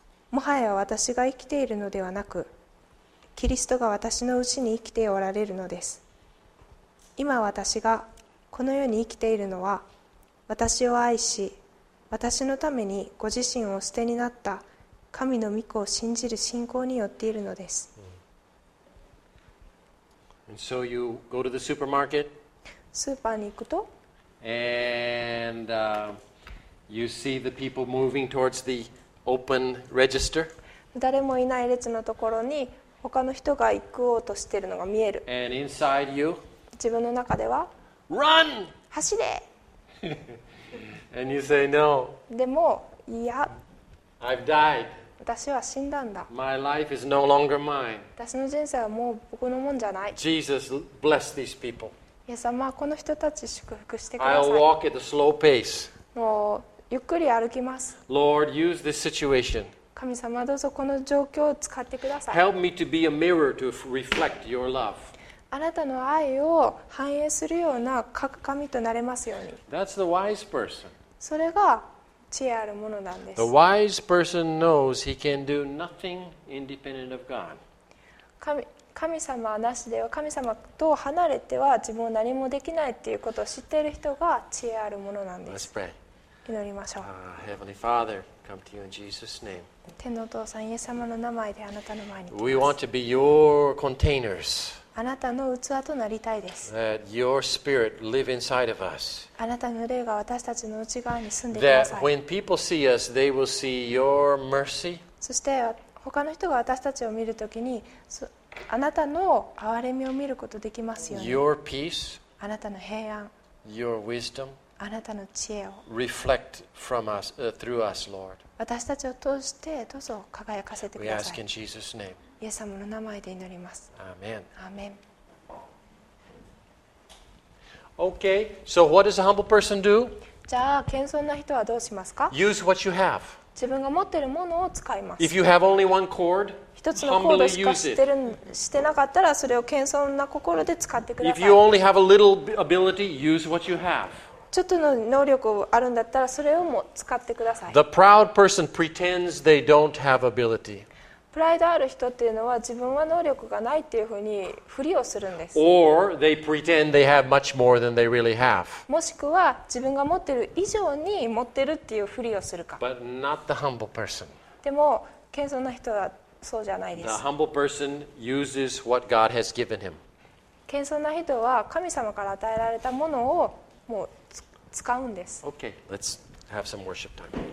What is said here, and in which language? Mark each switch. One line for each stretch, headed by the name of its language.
Japanese: もはや私が生きているのではなく、キリストが私のうちに生きておられるのです。今私がこの世に生きているのは私を愛し私のためにご自身を捨てになった神の御子を信じる信仰によっているのです、 mm.
English: And so you go to the supermarket,
Japanese: スーパーに行くと
English: And, you see the people moving towards the open register.
Japanese: 誰もいない列のところに他の人が行こうとしているのが見える
English: And inside you,
Japanese: 自分の中では
English: Run!
Japanese: 走れ
English: And you say, no.
Japanese: でもいや
English: I've died.
Japanese: 私は死んだんだ
English: My life is no longer mine.
Japanese: 私の人生はもう僕のもんじゃない
English: Jesus, bless these people.
Japanese: イエス様はこの人たち祝福してください
English: I'll walk at a slow pace.
Japanese: もうゆっくり歩きます
English: Lord, use this situation.
Japanese: 神様どうぞこの状況を使ってください
English: Help me to be a mirror to reflect your love
Japanese: あなたの愛を反映するような鏡となれますように。
English: That's the wise person.
Japanese: それが知恵あるものなんです。
English: The wise person knows he can do nothing independent of God.
Japanese: 神様なしでは、神様と離れては自分は何もできないっていうことを知っている人が知恵あるものなんです。
English: Let's pray.
Japanese: 祈りましょう。
English: Heavenly Father, come to you in Jesus' name.
Japanese: 天のお父さん、イエス様の名前であなたの前に来ます。
English: We want to be your containers.
Japanese: あなたの器となりたいです。
English: Let your spirit live inside of us.
Japanese: あなたの霊が私たちの内側に住んでください。
English: That when people see us, they will see your mercy.
Japanese: そして他の人が私たちを見るときに、あなたの憐れみを見ることができますように。
English: Your peace.
Japanese: あなたの平安。
English: Your wisdom.
Japanese: あなたの知恵を。
English: Reflect from us, through us, Lord.
Japanese: 私たちを通してどうぞ輝かせてください。
English: We ask in Jesus' name.
Japanese: イエス様の名前で祈ります。アーメン。アーメン。
English: Okay, so what does a humble person do?
Japanese: じゃあ謙遜な人はどうしますか?
English: Use what you have.
Japanese: 自分が持っているものを使います。
English: If you have only one cord, humbly use it.
Japanese: 一つのコードしかしてなかったらそれを謙遜な心で使ってください。
English: If you only have a little ability, use what you have.
Japanese: ちょっとの能力があるんだったらそれをも使ってください。
English: The proud person pretends they don't have ability.
Japanese: プライドある人っていうのは自分は能力がないっていうふうにふりをするんです。
English: Or they pretend they have much more than they really have.
Japanese: もしくは自分が持ってる以上に持ってるっていうふりをするか。
English: But not the humble person.
Japanese: でも謙遜な人はそうじゃないです。
English: The humble person uses what God has given him.
Japanese: 謙遜な人は神様から与えられたものをもう使うんです。
English: Okay, let's have some worship time.